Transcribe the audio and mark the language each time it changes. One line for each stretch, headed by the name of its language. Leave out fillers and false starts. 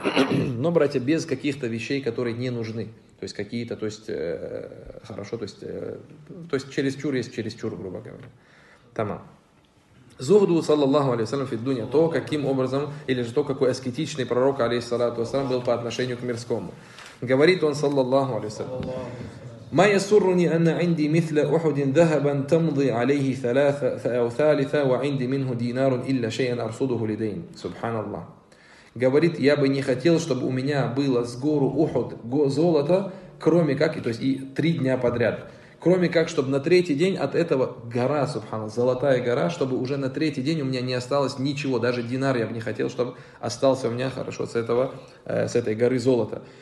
Russian: Но, братья, без каких-то вещей, которые не нужны. То есть какие-то, то есть хорошо, то есть чересчур есть чересчур, грубо говоря. Тамам. Зухду, саллаллаху алейхи вассалям, фиддунья. То, каким образом, или же то, какой аскетичный пророк, алейхиссалату вассалям, был по отношению к мирскому. Говорит он, саллаллаху алейхи вассалям.
Arabic: ما يسرني أن عندي مثل أحد ذهبا تمضي عليه ثلاثة أو ثالثة وعندي منه دينار إلا شيئا أرصده لدين. سبحان الله.
Russian: Говорит, я бы не хотел, чтобы у меня было с гору Ухуд золото, кроме как, то есть и три дня подряд, кроме как, чтобы на третий день от этого гора, субхана, золотая гора, чтобы уже на третий день у меня не осталось ничего, даже динар я бы не хотел, чтобы остался у меня хорошо с этой горы золота.